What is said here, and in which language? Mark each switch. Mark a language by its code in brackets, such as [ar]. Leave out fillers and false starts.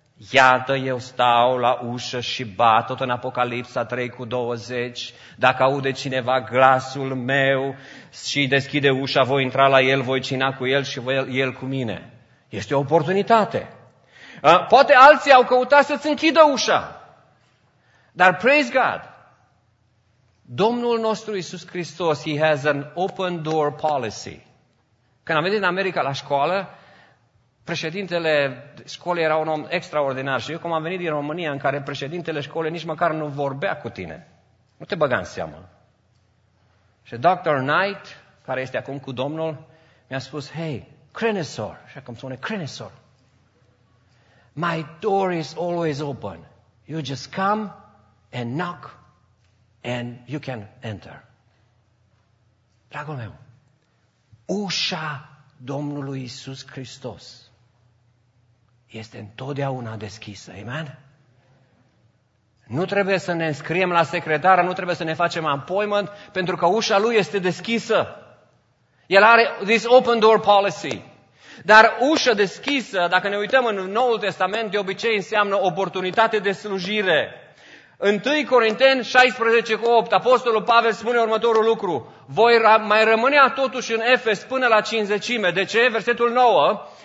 [ro] Iată, eu stau la ușă și bat, tot în Apocalipsa 3:20, dacă aude cineva glasul meu și deschide ușa, voi intra la el, voi cina cu el și el cu mine. Este o oportunitate. Poate alții au căutat să-ți închidă ușa. Dar [en] praise God, [ro] Domnul nostru Iisus Hristos, [en] he has an open door policy. [ro] Când am venit în America la școală, președintele școlii era un om extraordinar și eu cum am venit din România, în care președintele școlii nici măcar nu vorbea cu tine. Nu te băga în seamă. Și Dr. Knight, care este acum cu Domnul, mi-a spus, hey, Crenesor, așa cum spune, Crenesor, [en] my door is always open. You just come and knock and you can enter. [ro] Dragul meu, ușa Domnului Iisus Hristos este întotdeauna deschisă. Amen? Nu trebuie să ne înscriem la secretară, nu trebuie să ne facem appointment, pentru că ușa lui este deschisă. El are [en] this open door policy. [ro] Dar ușa deschisă, dacă ne uităm în Noul Testament, de obicei înseamnă oportunitate de slujire. 1 Corinteni 16:8, Apostolul Pavel spune următorul lucru. Voi mai rămâne totuși în Efes până la cincizecime. De ce? Versetul 9.